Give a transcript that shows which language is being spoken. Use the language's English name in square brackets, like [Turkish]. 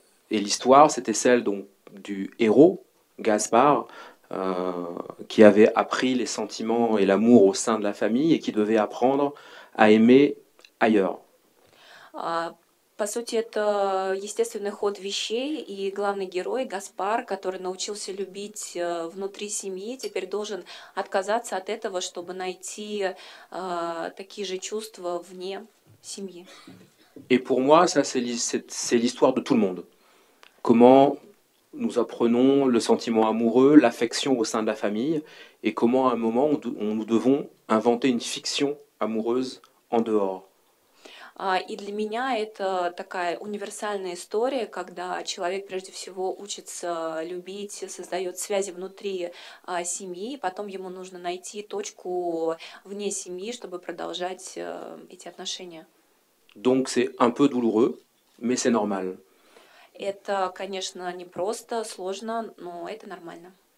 [French] Et l'histoire, c'était celle donc du héros Gaspard, qui avait appris les sentiments et l'amour au sein de la famille et qui devait apprendre à aimer ailleurs. [Russian] По сути, это естественный ход вещей, и главный герой Гаспар, который научился любить внутри семьи, теперь должен отказаться от этого, чтобы найти такие же чувства вне семьи. [French] Et pour moi, ça, c'est l'histoire de tout le monde. Comment nous apprenons le sentiment amoureux, l'affection au sein de la famille, et comment à un moment, nous devons inventer une fiction amoureuse en dehors. [Russian] И для меня это такая универсальная история, когда человек прежде всего учится любить, создает связи внутри семьи, и потом ему нужно найти точку вне семьи, чтобы продолжать эти отношения. [French] Donc c'est un peu douloureux, mais c'est normal. [Russian] Это, конечно, не просто, сложно, но это нормально.